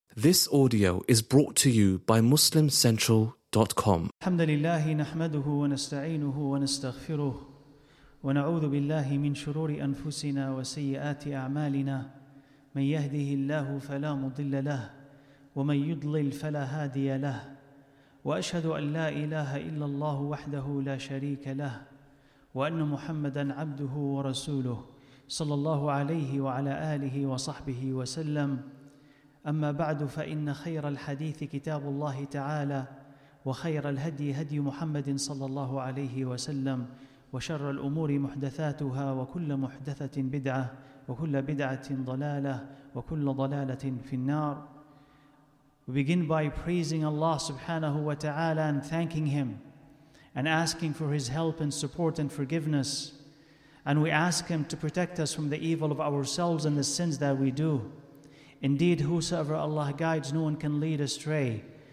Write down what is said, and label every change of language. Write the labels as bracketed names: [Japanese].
[English] This audio is brought to you by MuslimCentral.com. [Arabic] الحمد لله نحمده ونستعينه ونستغفره ونعوذ بالله من شرور أنفسنا وسيئات أعمالنا من يهده الله فلا مضل له ومن يضلل فلا هادي له وأشهد أن لا إله إلا الله وحده لا شريك له وأن محمدًا عبده ورسوله صلى الله عليه وعلى آله وصحبه وسلم أما بعد فإن خير الحديث كتاب الله تعالى وخير الهدي هدي محمد صلى الله عليه وسلم وشر الأمور محدثاتها وكل محدثة بدعة وكل بدعة ضلالة وكل ضلالة في النار. [English] We begin by praising Allah subhanahu wa ta'ala and thanking Him and asking for His help and support and forgiveness. And we ask Him to protect us from the evil of ourselves and the sins that we do. Indeed, whosoever Allah guides, no one can lead astray.